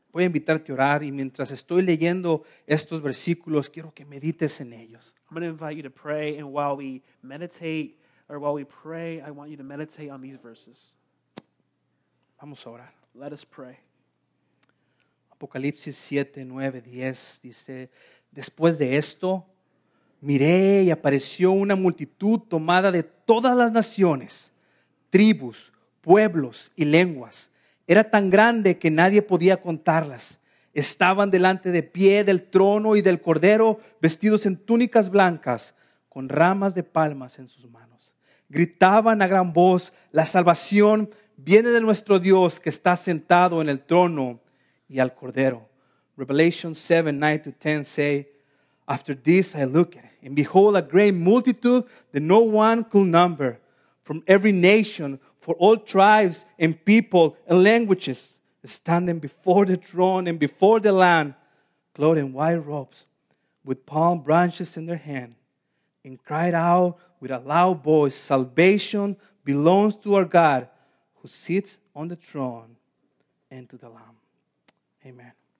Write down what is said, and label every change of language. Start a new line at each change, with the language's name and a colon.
Spanish: Voy a invitarte a orar y mientras estoy leyendo estos versículos, quiero que medites en ellos.
English: I'm going to invite you to pray and while we meditate, or while we pray, I want you to meditate on these verses.
Spanish: Vamos a orar.
English: Let us pray.
Spanish: Apocalipsis 7, 9, 10 dice, después de esto, miré y apareció una multitud tomada de todas las naciones, tribus, pueblos y lenguas. Era tan grande que nadie podía contarlas. Estaban delante de pie del trono y del cordero, vestidos en túnicas blancas, con ramas de palmas en sus manos. Gritaban a gran voz, la salvación viene de nuestro Dios que está sentado en el trono y al cordero.
English: Revelation 7, 9 to 10 say, after this I look at it, and behold a great multitude that no one could number, from every nation, for all tribes and people and languages, standing before the throne and before the Lamb, clothed in white robes, with palm branches in their hand, and cried out with a loud voice, "Salvation belongs to our God who sits on the throne and to the Lamb." Amen.